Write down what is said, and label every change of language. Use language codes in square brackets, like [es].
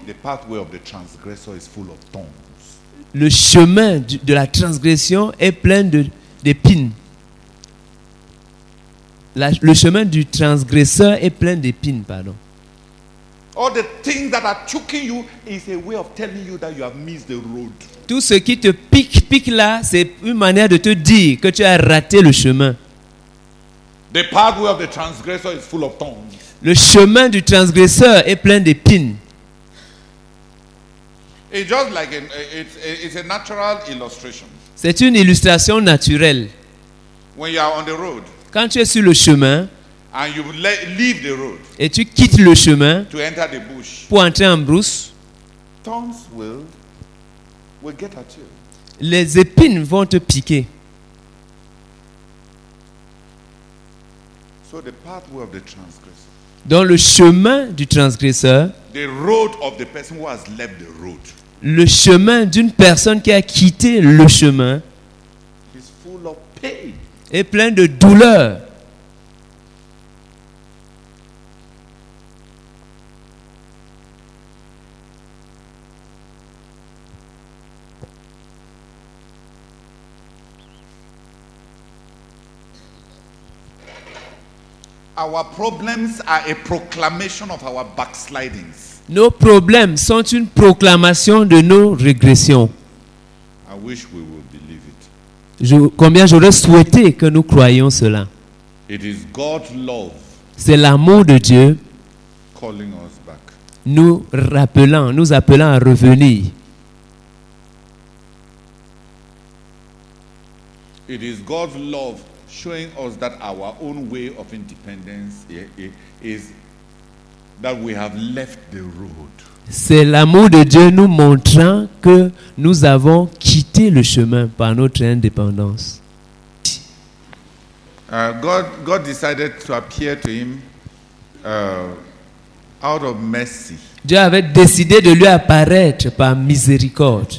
[en] the pathway of the transgressor is full of thorns. [fr] Le chemin de la transgression est plein d'épines. Le chemin du transgresseur est plein d'épines, pardon. [en] All the things that are choking you is a way of telling you that you have missed the road. [fr] Tout ce qui te pique là, c'est une manière de te dire que tu as raté le chemin. [en] The pathway of the transgressor is full of thorns. [fr] Le chemin du transgresseur est plein d'épines. [en] It's just like it's a natural illustration. [fr] C'est une illustration naturelle. [en] When you are on the road, [fr] quand tu es sur le chemin, [en] and you leave the road, [fr] et tu quittes le chemin [en] to enter the bush, [fr] pour entrer en brousse, [en] thorns will get at you. [fr] Les épines vont te piquer. [en] So the pathway of the transgressor. [fr] Dans le chemin du transgresseur, [en] the road of the person who has left the road, [fr] le chemin d'une personne qui a quitté le chemin [en] is full of pain. [fr] Est plein de douleur. [en] Our problems are a proclamation of our backslidings. [fr] Nos problèmes sont une proclamation de nos régressions. [en] I wish we would believe it. [fr] Combien j'aurais souhaité que nous croyions cela. [en] It is God's love. [fr] C'est l'amour de Dieu. [en] Calling us back. [fr] Nous appelant à revenir. [en] It is God's love. Showing us that our own way of independence is that we have left the road. [fr] C'est l'amour de Dieu nous montrant que nous avons quitté le chemin par notre indépendance. [en] God decided to appear to him out of mercy. [fr] Dieu avait décidé de lui apparaître par miséricorde.